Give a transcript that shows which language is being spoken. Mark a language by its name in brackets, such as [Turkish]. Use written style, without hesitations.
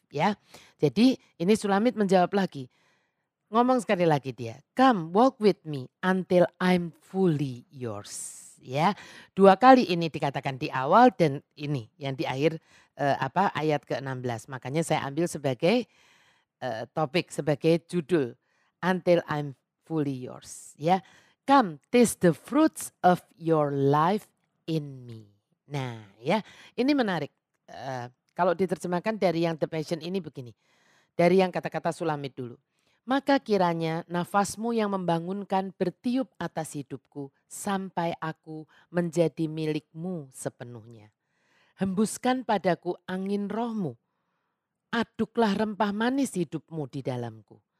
[Indonesian] Ya. Jadi ini Sulamit menjawab lagi, ngomong sekali lagi dia, [English] come walk with me until I'm fully yours. [Indonesian] Ya, dua kali ini dikatakan di awal dan ini yang di akhir ayat ke-16. Makanya saya ambil sebagai topik, sebagai judul, [English] until I'm fully yours. [Indonesian] Ya, [English] come taste the fruits of your life in me. [Indonesian] Nah, ya, ini menarik. Kalau diterjemahkan dari yang The Passion ini begini, dari yang kata-kata Sulamit dulu. Maka kiranya nafasmu yang membangunkan bertiup atas hidupku sampai aku menjadi milikmu sepenuhnya. Hembuskan padaku angin rohmu, aduklah rempah manis hidupmu di dalamku.